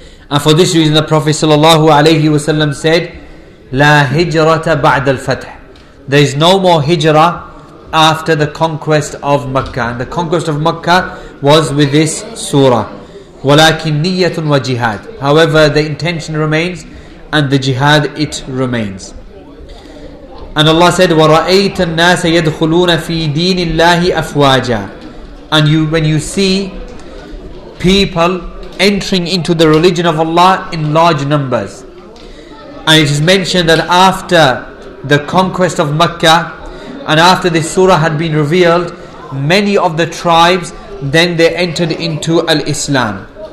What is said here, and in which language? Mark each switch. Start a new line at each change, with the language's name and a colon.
English: And for this reason, the Prophet sallallahu alayhi wasallam said,
Arabic: لا هجرة بعد الفتح.
English: There is no more hijrah after the conquest of Makkah. And the conquest of Makkah was with this surah.
Arabic: وَلَكِنْ نِيَّةٌ وَجِهَادٌ.
English: However, the intention remains, and the jihad, it remains. And Allah said,
Arabic: وَرَأَيْتَ النَّاسَ يَدْخُلُونَ فِي دِينِ اللَّهِ أَفْوَاجًا.
English: And you, when you see people entering into the religion of Allah in large numbers. And it is mentioned that after the conquest of Mecca, and after this surah had been revealed, many of the tribes, then they entered into al-Islam.